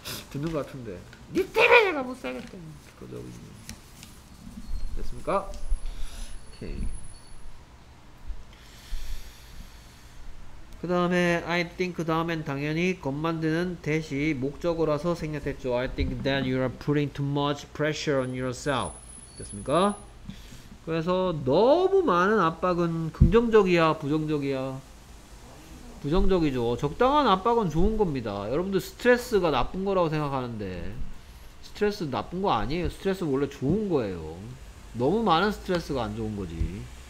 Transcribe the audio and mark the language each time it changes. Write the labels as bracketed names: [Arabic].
[Korean] 듣는 것 같은데 니 때문에 내가 못 살겠다 [English] because of you [Korean] 됐습니까? 오케이 그 다음에 [English] I think [Korean] 그 다음엔 당연히 겉 만드는 대시 목적어라서 생략했죠. [English] I think that you are putting too much pressure on yourself [Korean] 됐습니까? 그래서 너무 많은 압박은 긍정적이야 부정적이야? 부정적이죠. 적당한 압박은 좋은 겁니다. 여러분들 스트레스가 나쁜 거라고 생각하는데 스트레스 나쁜 거 아니에요. 스트레스 원래 좋은 거예요. 너무 많은 스트레스가 안 좋은 거지.